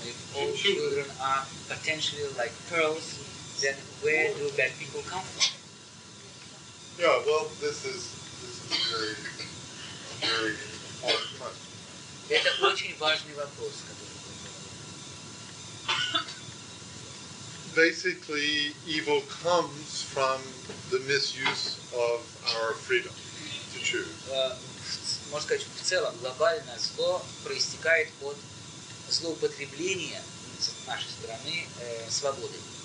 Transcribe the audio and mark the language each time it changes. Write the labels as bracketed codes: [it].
[en] If all children are potentially like pearls, then where do bad people come from? Yeah, well, this is a very important question. [ru] Это очень важный вопрос, который. [en] Basically, evil comes from the misuse of our freedom to choose. [ru] Можно сказать, в целом глобальное зло проистекает от злоупотребления с нашей стороны свободы.